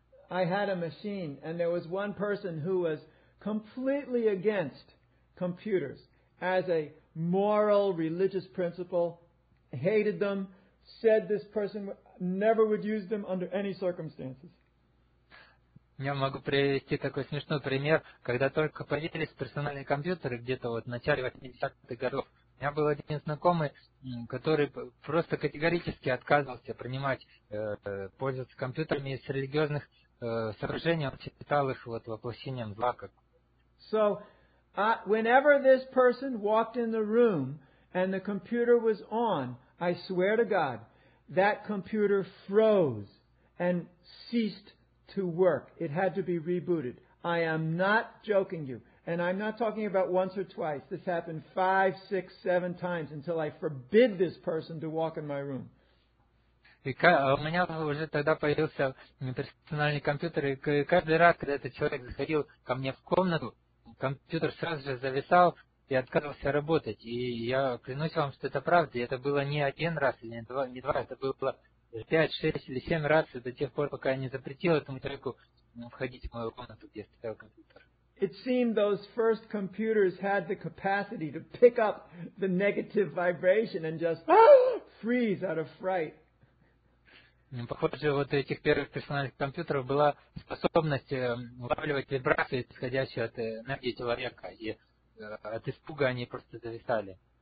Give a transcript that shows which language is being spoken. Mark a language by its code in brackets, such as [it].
[en] I had a machine, and there was one person who was completely against computers as a moral, religious principle, hated them, said this person never would use them under any circumstances. [ru] Я могу привести такой смешной пример. Когда только появились персональные компьютеры, где-то в начале 80-х годов, у меня был один знакомый, который просто категорически отказывался принимать, пользоваться компьютерами из религиозных соображений, он считал их воплощением зла. [en] So, whenever this person walked in the room and the computer was on, I swear to God, that computer froze and ceased to work. It had to be rebooted. I am not joking you. And I'm not talking about once or twice. This happened 5, 6, 7 times until I forbid this person to walk in my room. [ru] У меня уже тогда появился персональный компьютер, и каждый раз, когда этот человек заходил ко мне в комнату, компьютер сразу же зависал и отказывался работать. И я клянусь вам, что это правда. И это было не один раз, или не два, это было 5, 6 или 7 раз до тех пор, пока я не запретил этому человеку входить в мою комнату, где стоял компьютер. [en] It seemed those first computers had the capacity to pick up the negative vibration and just freeze out of fright. [ru] Похоже, у этих первых персональных компьютеров была способность улавливать вибрации, исходящие от энергии человека, и от испуга они просто зависали.